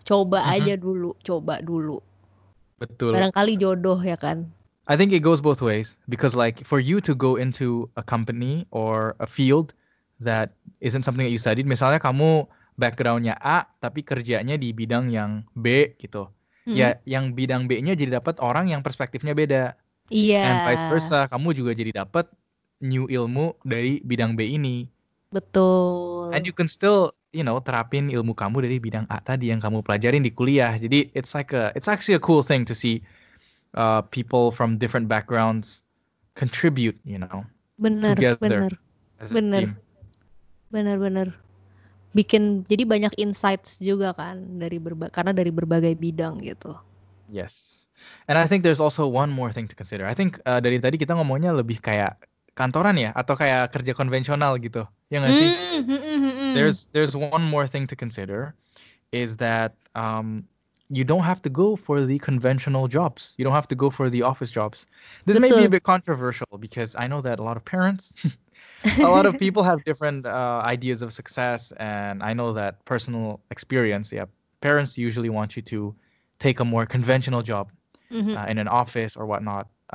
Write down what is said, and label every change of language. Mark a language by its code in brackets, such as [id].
[id] Coba aja dulu, coba dulu. Betul. Barangkali jodoh ya kan. [en] I think it goes both ways because like for you to go into a company or a field that isn't something that you studied, [id] misalnya kamu backgroundnya A tapi kerjanya di bidang yang B gitu. Ya, yang bidang B-nya jadi dapat orang yang perspektifnya beda. Iya. [en] And vice versa, [id] kamu juga jadi dapat new ilmu dari bidang B ini. Betul. [en] And you can still, you know, [id] terapin ilmu kamu dari bidang A tadi yang kamu pelajarin di kuliah. Jadi [en] it's like a, it's actually a cool thing to see people from different backgrounds contribute, you know, [id] bener, [en] together [id] bener, [en] as a [id] bener, [en] team. [id] Bener, bener. Bikin jadi banyak insights juga kan dari karena dari berbagai bidang gitu. [en] Yes. And I think there's also one more thing to consider. I think [id] dari tadi kita ngomongnya lebih kayak kantoran ya atau kayak kerja konvensional gitu. Ya enggak sih? [en] There's one more thing to consider is that you don't have to go for the conventional jobs. You don't have to go for the office jobs. This [id] Betul. [en] May be a bit controversial because I know that a lot of parents a lot of people have different ideas of success, and I know that personal experience, yeah, parents usually want you to take a more conventional job in an office or whatnot.